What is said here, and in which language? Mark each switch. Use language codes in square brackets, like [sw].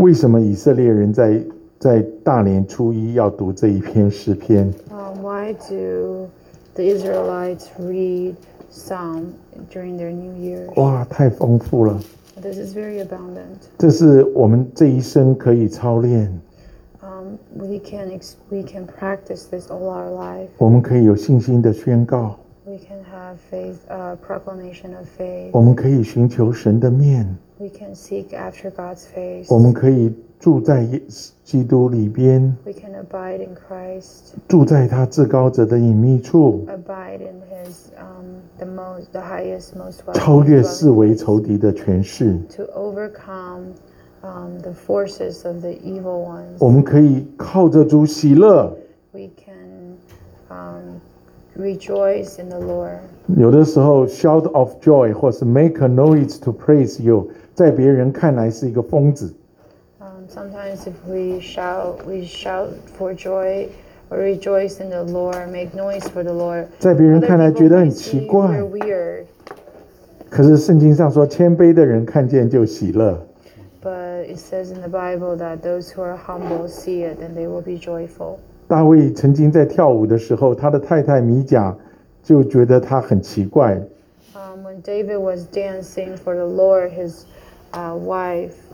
[zh] 为什么以色列人在大年初一要读这一篇诗篇？ [en] Why do the Israelites read? Psalm during their New Year. [zh] 哇，太丰富了。 [en] This is very abundant. [zh] 这是我们这一生可以操练。 [en] We can practice this all our life. [zh] 我们可以有信心的宣告。 [en] We can have faith, proclamation of faith. [zh] 我们可以寻求神的面。 [en] We can seek after God's face. [zh] 我们可以住在基督里边。 [en] We can abide in Christ. [zh] 住在他至高者的隐秘处。 [en] Abide in His the highest, most well. [zh] 超越四维仇敌的权势。 [en] To overcome the forces of the evil ones. [zh] 我们可以靠着主喜乐。 [en] We can rejoice in the Lord. [zh] 有的时候 [en] shout of joy [zh] 或是 [en] make a noise to praise you, [zh] 在别人看来是一个疯子。 [en] Sometimes if we shout for joy or rejoice in the Lord, make noise for the Lord. [zh] 在别人看来觉得很奇怪。 [en] Other people see we're weird. [zh] 可是圣经上说，谦卑的人看见就喜乐。 [en] But it says in the Bible that those who are humble see it and they will be joyful. [zh] 大卫曾经在跳舞的时候，他的太太米甲就觉得他很奇怪。 [en] When David was dancing for the Lord, his wife.